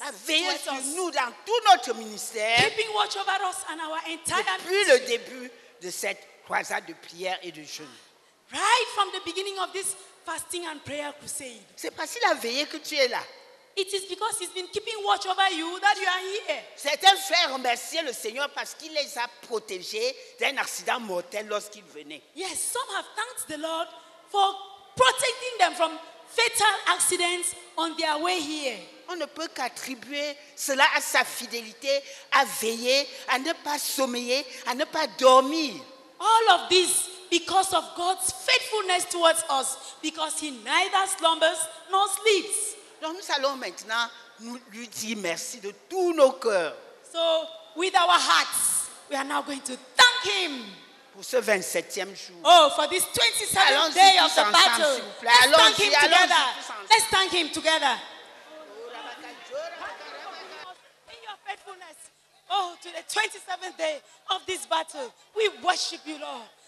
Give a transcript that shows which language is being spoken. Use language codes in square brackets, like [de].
[fr] A veillé sur nous dans tout notre ministère. [en] Keeping watch over us and our entire [fr] depuis [en] ministry. [fr] Le début de cette croisade de prière et de jeûne. [en] Right from the beginning of this fasting and prayer crusade. [fr] C'est parce qu'il a veillé que tu es là. [en] It is because he's been keeping watch over you that you are here. [fr] Certains frères remerciaient le Seigneur parce qu'il les a protégés d'un accident mortel lorsqu'ils venaient. [en] Yes, some have thanked the Lord for protecting them from fatal accidents on their way here. [fr] On ne peut qu'attribuer cela à sa fidélité, à veiller, à ne pas sommeiller, à ne pas dormir. [en] All of this because of God's faithfulness towards us, because he neither slumbers nor sleeps. [fr] Donc nous allons maintenant nous lui dire merci de tous nos cœurs. [en] So with our hearts, we are now going to thank him. [fr] Pour ce 27e jour. [en] Oh, for this 27th day of the battle. [fr] Ensemble, s'il vous plaît. [en] Let's [fr] allons [en] thank him [fr] allons [en] together. [fr] Ensemble. [en] Let's thank him together. In your faithfulness, oh, to the 27th day of this battle, we worship you, Lord.